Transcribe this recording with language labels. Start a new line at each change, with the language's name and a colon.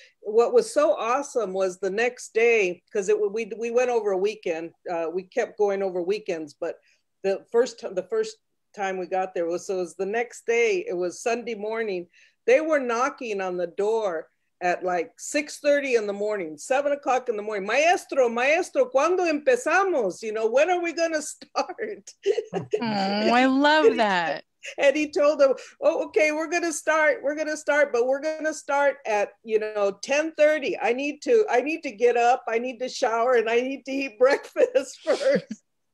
English: What was so awesome was the next day, because we went over a weekend, we kept going over weekends, but the first time we got there was, so it was the next day, it was Sunday morning, they were knocking on the door at like 6:30 in the morning, 7 o'clock in the morning.
Spanish: Maestro, maestro, ¿cuándo empezamos?
English: You know, when are we gonna start? Oh, I love that. And he told them, oh, okay, we're gonna start, but we're gonna start at, you know, 10:30. I need to get up, I need to shower, and I need to eat breakfast first.